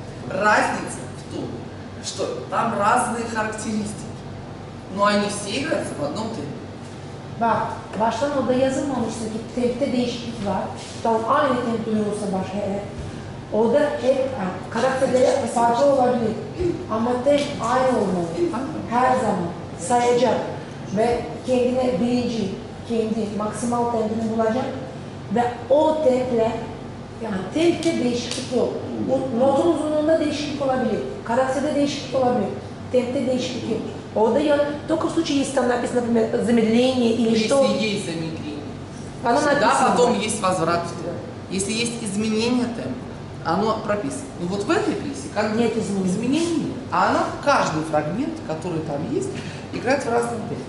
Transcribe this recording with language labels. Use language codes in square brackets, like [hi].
[ru] разница в том, что там разные характеристики, но они все играются в одном темпе. [tr] Bak, baştan orada yazılmamıştı ki tempte değişiklik var. Tam aynı temp duruyorsa baş hele. Orada hep yani, karakterlere farklı olabilir. Ama tek aynı olmalı. Her zaman sayacak ve kendine birinci, kendi maksimal tempini bulacak. Ve o temple, yani tempte değişiklik yok. Bu notun uzunluğunda değişiklik olabilir. Karakterde değişiklik olabilir. Tempte değişiklik yok. Orada ya, [ru] только в случае, если там написано, например, замедление или что... Если есть замедление. Оно всегда написано. Потом есть возврат в темп. Если есть изменение темпа, оно прописано. Ну вот в этой пьесе как нет изменений. Изменения. А она каждый фрагмент, который там есть, играет в разном темпе.